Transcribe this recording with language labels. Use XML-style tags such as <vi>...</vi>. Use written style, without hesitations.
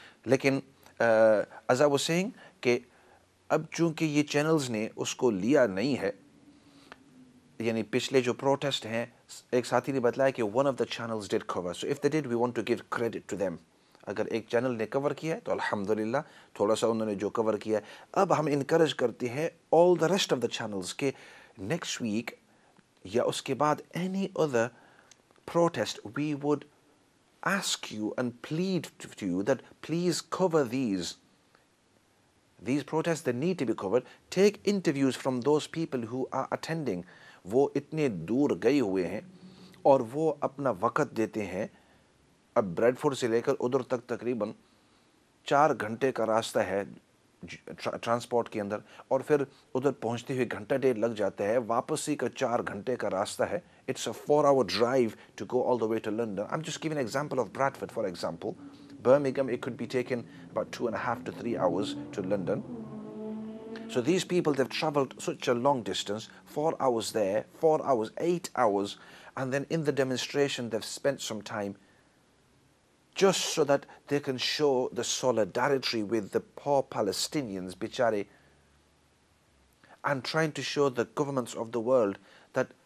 <ur>لیکن</ur> <en>as I was saying</en> <ur>کہ اب چونکہ یہ چینلز نے اس کو لیا نہیں ہے, یعنی پچھلے جو پروٹیسٹ ہیں, ایک ساتھی نے بتلایا کہ</ur> <en>One of the channels did cover, so if they did we want to give credit to them.</en> <ur>اگر ایک چینل نے کور کیا ہے تو الحمدللہ, تھوڑا سا انہوں نے جو کور کیا ہے. اب ہم</ur> <en>encourage</en> <ur>کرتے ہیں</ur> <en>all the rest of the channels کہ next week</en> <ur>یا اس کے بعد</ur> <en>Any other protest we would ask you and plead to you that please cover these protest, they need to be covered. Take interviews from those people who are attending.</en> <ur>وہ اتنے دور گئے ہوئے ہیں اور وہ اپنا وقت دیتے ہیں. اب بریڈ فورڈ سے لے کر ادھر تک تقریباً 4 گھنٹے کا راستہ ہے ٹرانسپورٹ کے اندر, اور پھر ادھر پہنچتے ہوئے گھنٹہ ڈیڑھ لگ جاتا ہے, واپسی کا 4 گھنٹے کا راستہ ہے.</ur> <en>It's a 4-hour drive to go all the way to London. I am just giving example of Bradford for example. Birmingham it could be taken about 2.5 to 3 hours to London. So these people they've travelled such a long distance, 4 hours there, 4 hours, 8 hours, and then in the demonstration they've spend some time just so that they can show the solidarity with the poor Palestinians bichare and trying to show the governments of the world that</en>